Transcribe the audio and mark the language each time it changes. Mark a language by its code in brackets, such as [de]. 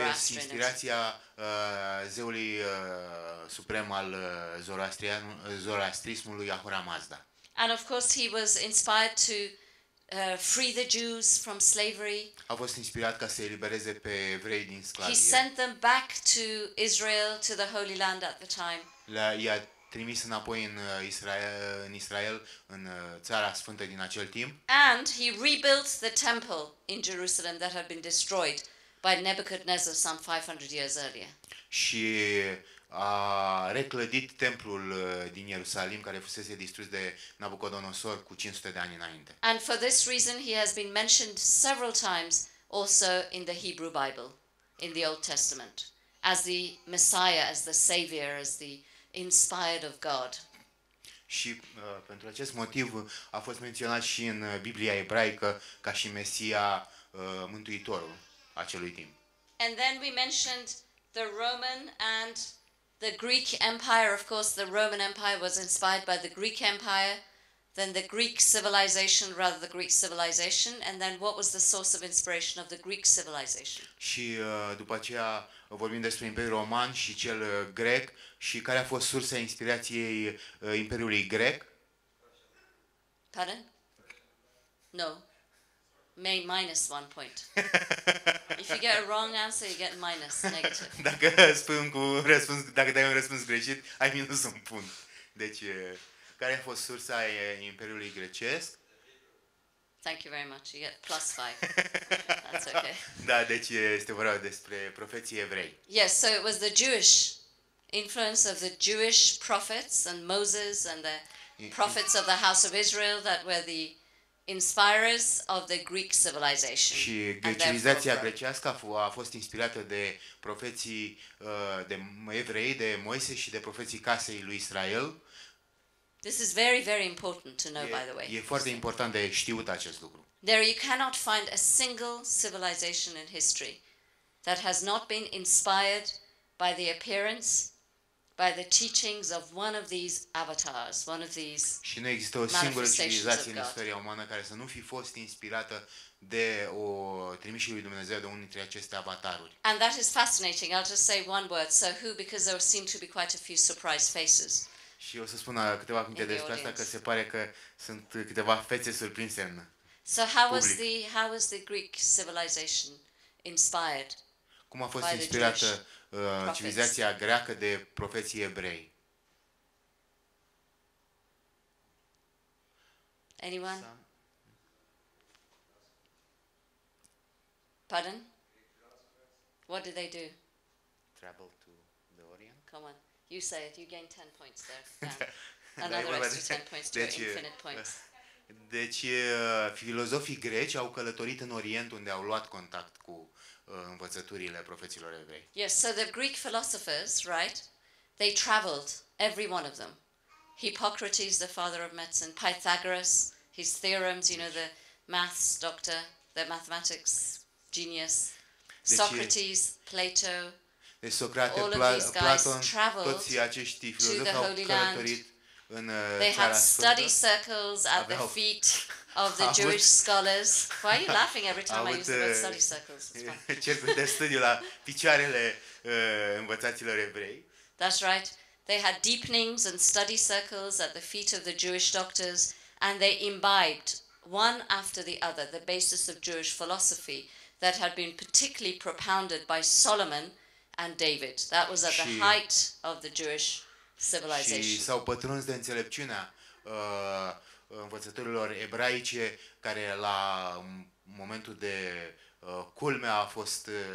[ro] Atribuie inspirația zeului suprem al zoroastrismului Ahura Mazda. [en] And of course he was inspired to free the Jews from slavery. [ro] A fost inspirat ca să-i elibereze pe evrei din sclavie. [en] He sent them back to Israel, to the Holy Land at the time. [ro] I-a trimis înapoi în Israel, în țara sfântă din acel timp. [en] And he rebuilt the temple in Jerusalem that had been destroyed by Nebuchadnezzar some 500 years earlier. [ro] Și a reclădit templul din Ierusalim care fusese distrus de Nabucodonosor cu 500 de ani înainte. [en] And for this reason he has been mentioned several times also in the Hebrew Bible in the Old Testament as the Messiah, as the Savior, as the inspired of God. [ro] Și pentru acest motiv a fost menționat și în Biblia ebraică ca și Mesia, mântuitorul acelui timp. [en] And then we mentioned the Roman and the Greek Empire, of course, the Roman Empire was inspired by the Greek Empire, then the Greek civilization, rather the Greek civilization, and then what was the source of inspiration of the Greek civilization? [ro] Și după aceea vorbim despre Imperiul Roman și cel grec și care a fost sursa inspirației Imperiului grec? [en] Pardon? No. Minus one point. If you get a wrong answer, you get minus, negative. [ro] Dacă spui un răspuns, dacă dai un răspuns greșit, ai minus un punct. Deci, care a fost sursa Imperiului Grecesc? [en] Thank you very much. You get plus five. That's okay. [ro] Da, deci este vorba despre profeții evrei. [en] Yes, so it was the Jewish influence of the Jewish prophets and Moses and the prophets of the house of Israel that were the inspirers of the Greek civilization. [ro] Și civilizația grecească a fost inspirată de profeții de evrei, de Moise și de profeții casei lui Israel. [en] This is very, very important to know, by the way. [ro] E foarte important de știut acest lucru. [en] There you cannot find a single civilization in history that has not been inspired by the appearance, by the teachings of one of these avatars, one of these [ro] și nu există o singură civilizație în istoria umană care să nu fi fost inspirată de o trimișii lui Dumnezeu, de unul dintre aceste avataruri. [en] And that is fascinating. I'll just say one word. So who, because there seem to be quite a few surprise faces. [ro] Și o să spun câteva cuvinte despre asta, că se pare că sunt câteva fețe surprinse în public. [en] So how was the Greek civilization inspired? [ro] Cum a fost inspirată civilizația greacă de profeții evrei? [en] Anyone? Pardon? What did they do? Travel to the Orient. Come on. You say it. You gain 10 points there. Another extra 10 points to [ro] deci, [en] your infinite points. [ro] Deci, filozofii greci au călătorit în Orient unde au luat contact cu învățăturile profeților evrei. [en] Yes, so the Greek philosophers, right? They traveled, every one of them. Hippocrates, the father of medicine, Pythagoras, his theorems, you know, the maths doctor, the mathematics genius. [ro] Deci, [en] Socrates, Plato. [ro] Deci Socrate, [en] all of these guys traveled to the Holy Land. They had study circles at the feet of the Jewish scholars. Why are you laughing every time I use the word study circles? [ro] Cercuri de studiu la picioarele învățaților evrei. [en] That's right. They had deepenings and study circles at the feet of the Jewish doctors, and they imbibed one after the other the basis of Jewish philosophy that had been particularly propounded by Solomon and David. That was at the height of the Jewish civilization. [ro] Și s-au pătruns de înțelepciunea învățătorilor ebraice, care la momentul de culme a fost